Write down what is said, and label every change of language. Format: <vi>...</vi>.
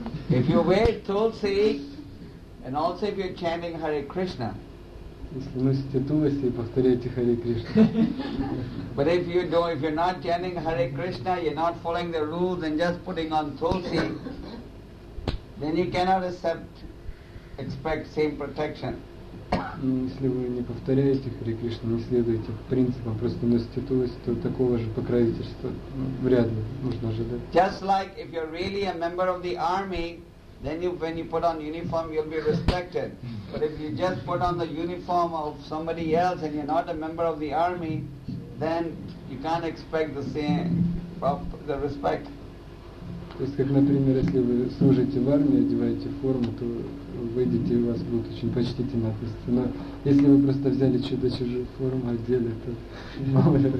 <en>If you wear Tulsi, and also if you're chanting Hare Krishna.</en> <ru>Если носите Туласи и повторяете Харе Кришна.</ru> <en>But if you don't, if you're not chanting Hare Krishna, you're not following the rules and just putting on Tulsi, then you cannot expect same protection.</en> <ru>Если вы не повторяете Харе Кришна, не следуете принципам, просто носите Туласи, то такого же покровительства вряд ли можно ожидать.</ru> <en>Just like if you're really a member of the army, then you, when you put on uniform, you'll be respected. But if you just put on the uniform of somebody else and you're not a member of the army, then you can't expect the same, the respect.</en> <ru>То есть, как, например, если вы служите в армии, одеваете форму, то выйдете, и вас будут очень почтительно относиться. Но если вы просто взяли чью-то чужую форму, одели, то</ru>